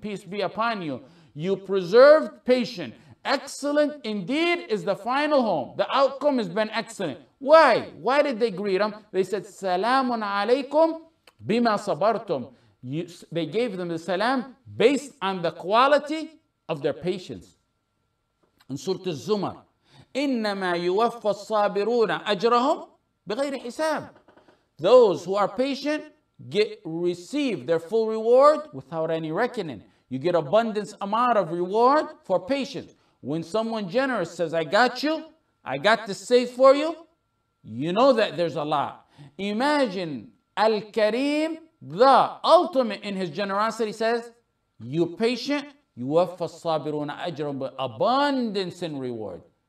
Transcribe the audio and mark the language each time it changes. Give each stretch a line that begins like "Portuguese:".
English: Peace be upon you. You preserved patience. Excellent indeed is the final home. The outcome has been excellent. Why? Why did they greet him? They said, Salamun alaykum bima sabartum. They gave them the salam based on the quality of their patience. In Surah Az-Zumar,
Arabic: إِنَّمَا يُوَفَّ الصَّابِرُونَ أَجْرَهُمْ بِغَيْرِ حِسَابٍ.
English: Those who are patient receive their full reward without any reckoning. You get abundance amount of reward for patience. When someone generous says, I got you, I got this safe for you, you know that there's a lot. Imagine Al-Kareem, the ultimate in his generosity, says, you patient, you waffa sabiruna ajran, but abundance in reward.